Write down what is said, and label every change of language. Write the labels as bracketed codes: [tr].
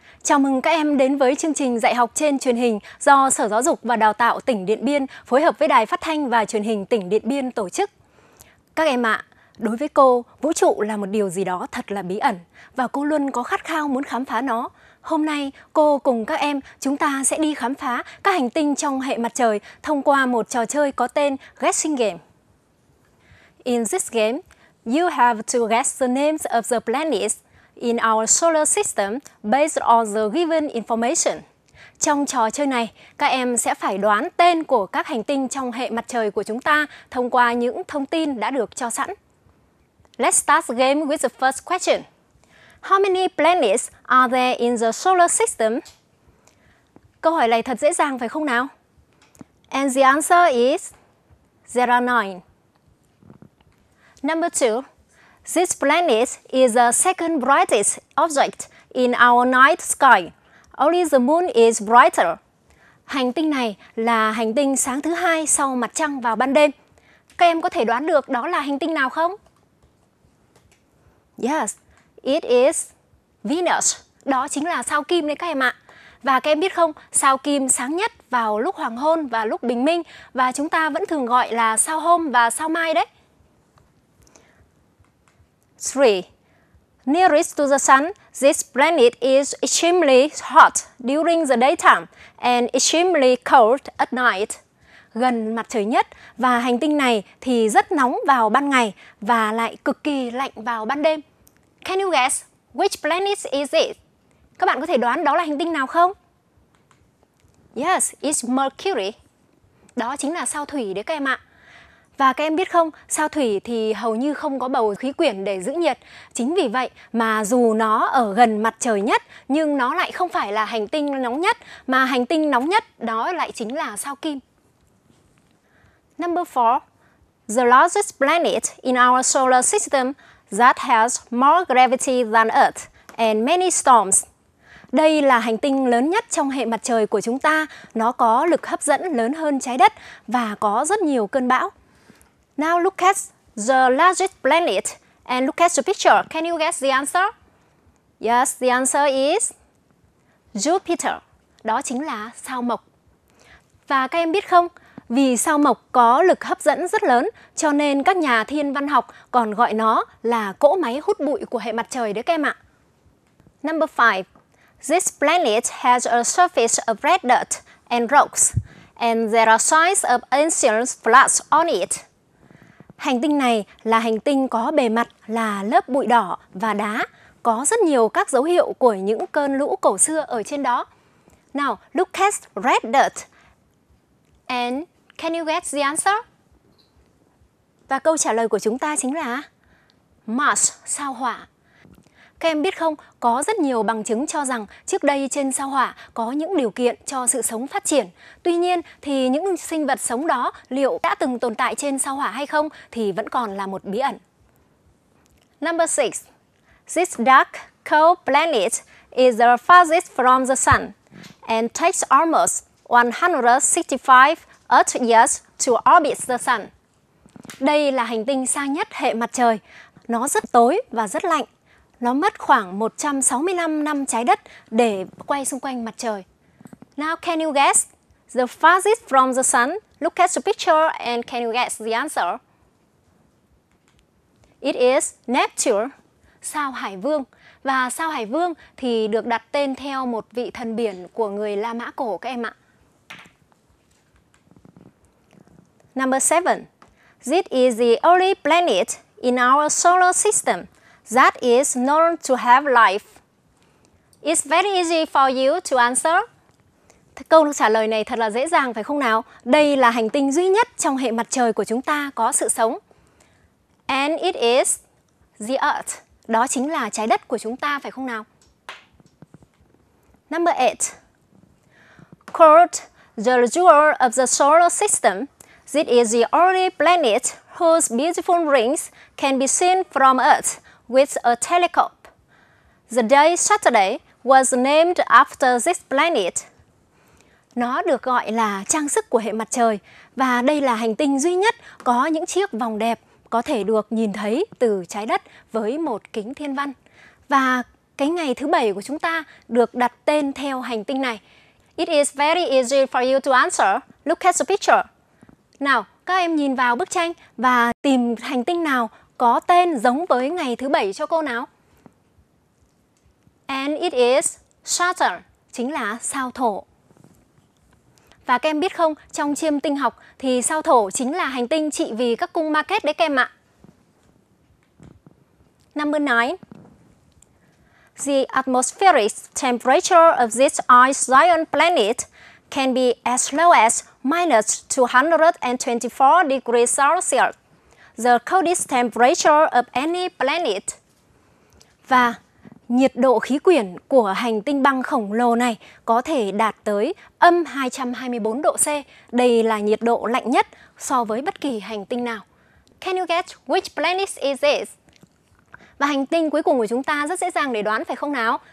[vi] Chào mừng các em đến với chương trình dạy học trên truyền hình do Sở Giáo dục và Đào tạo tỉnh Điện Biên phối hợp với Đài Phát thanh và Truyền hình tỉnh Điện Biên tổ chức. Các em ạ, đối với cô, vũ trụ là một điều gì đó thật là bí ẩn và cô luôn có khát khao muốn khám phá nó. Hôm nay, cô cùng các em, chúng ta sẽ đi khám phá các hành tinh trong hệ mặt trời thông qua một trò chơi có tên Guessing Game. [en] In this game, you have to guess the names of the planets in our solar system based on the given information. [vi] Trong trò chơi này, các em sẽ phải đoán tên của các hành tinh trong hệ mặt trời của chúng ta thông qua những thông tin đã được cho sẵn. [en] Let's start the game with the first question. How many planets are there in the solar system? [vi] Câu hỏi này thật dễ dàng phải không nào? [en] And the answer is there are 9. Number 2. This planet is the second brightest object in our night sky. Only the moon is brighter. [vi] Hành tinh này là hành tinh sáng thứ hai sau mặt trăng vào ban đêm. Các em có thể đoán được đó là hành tinh nào không? [en] Yes, it is Venus. [vi] Đó chính là sao Kim đấy các em ạ. Và các em biết không, sao Kim sáng nhất vào lúc hoàng hôn và lúc bình minh và chúng ta vẫn thường gọi là sao hôm và sao mai đấy. 3. [en] Nearest to the sun, this planet is extremely hot during the daytime and extremely cold at night. [vi] Gần mặt trời nhất và hành tinh này thì rất nóng vào ban ngày và lại cực kỳ lạnh vào ban đêm. [en] Can you guess which planet is it? [vi] Các bạn có thể đoán đó là hành tinh nào không? [en] Yes, it's Mercury. [vi] Đó chính là sao Thủy đấy các em ạ. Và các em biết không, sao Thủy thì hầu như không có bầu khí quyển để giữ nhiệt. Chính vì vậy mà dù nó ở gần mặt trời nhất, nhưng nó lại không phải là hành tinh nóng nhất, mà hành tinh nóng nhất đó lại chính là sao Kim. [en] Number 4. The largest planet in our solar system that has more gravity than Earth and many storms. [vi] Đây là hành tinh lớn nhất trong hệ mặt trời của chúng ta. Nó có lực hấp dẫn lớn hơn trái đất và có rất nhiều cơn bão. [en] Now look at the largest planet and look at the picture. Can you guess the answer? Yes, the answer is Jupiter. [vi] Đó chính là sao Mộc. Và các em biết không, vì sao Mộc có lực hấp dẫn rất lớn, cho nên các nhà thiên văn học còn gọi nó là cỗ máy hút bụi của hệ mặt trời đấy các em ạ. [en] Number 5. This planet has a surface of red dirt and rocks, and there are signs of ancient floods on it. [vi] Hành tinh này là hành tinh có bề mặt là lớp bụi đỏ và đá, có rất nhiều các dấu hiệu của những cơn lũ cổ xưa ở trên đó. [en] Now, look at red dirt. And can you guess the answer? [vi] Và câu trả lời của chúng ta chính là Mars, sao Hỏa. Các em biết không, có rất nhiều bằng chứng cho rằng trước đây trên sao Hỏa có những điều kiện cho sự sống phát triển. Tuy nhiên thì những sinh vật sống đó liệu đã từng tồn tại trên sao Hỏa hay không thì vẫn còn là một bí ẩn. [en] Number 6. This dark, cold planet is the farthest from the sun and takes almost 165 Earth years to orbit the sun. [vi] Đây là hành tinh xa nhất hệ mặt trời. Nó rất tối và rất lạnh. Nó mất khoảng 165 năm trái đất để quay xung quanh mặt trời. [en] Now can you guess the farthest from the sun? Look at the picture and can you guess the answer? It is Neptune, sao Hải Vương. [vi] Và sao Hải Vương thì được đặt tên theo một vị thần biển của người La Mã cổ các em ạ. [en] Number 7. This is the only planet in our solar system that is known to have life. It's very easy for you to answer. [vi] Câu trả lời này thật là dễ dàng phải không nào? Đây là hành tinh duy nhất trong hệ mặt trời của chúng ta có sự sống. [en] And it is the Earth. [vi] Đó chính là trái đất của chúng ta phải không nào? [en] Number 8. Called the jewel of the solar system, this is the only planet whose beautiful rings can be seen from Earth with a telescope. The day Saturday was named after this planet. [vi] Nó được gọi là trang sức của hệ mặt trời và đây là hành tinh duy nhất có những chiếc vòng đẹp có thể được nhìn thấy từ trái đất với một kính thiên văn. Và cái ngày thứ bảy của chúng ta được đặt tên theo hành tinh này? [en] It is very easy for you to answer. Look at the picture. [vi] Nào, các em nhìn vào bức tranh và tìm hành tinh nào có tên giống với ngày thứ bảy cho cô nào. [en] And it is Saturn, [vi] chính là sao thổ. Và các em biết không, trong chiêm tinh học thì sao thổ chính là hành tinh trị vì các cung Market đấy các em ạ. [en] Number 9. The atmospheric temperature of this ice giant planet can be as low as -224°C. The coldest temperature of any planet. [vi] Và nhiệt độ khí quyển của hành tinh băng khổng lồ này có thể đạt tới -224°C. Đây là nhiệt độ lạnh nhất so với bất kỳ hành tinh nào. [en] Can you guess which planet is this? [vi] Và hành tinh cuối cùng của chúng ta rất dễ dàng để đoán phải không nào?